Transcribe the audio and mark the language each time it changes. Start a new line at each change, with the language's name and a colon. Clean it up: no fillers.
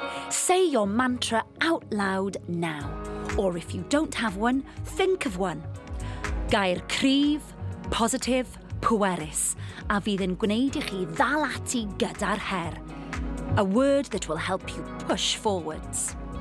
English: Say your mantra out loud now. Or if you don't have one, think of one.
Welsh: Gair cryf, positif, pwerus, a fydd yn gwneud I chi ddal ati gyda'r her.
English: A word that will help you push forwards.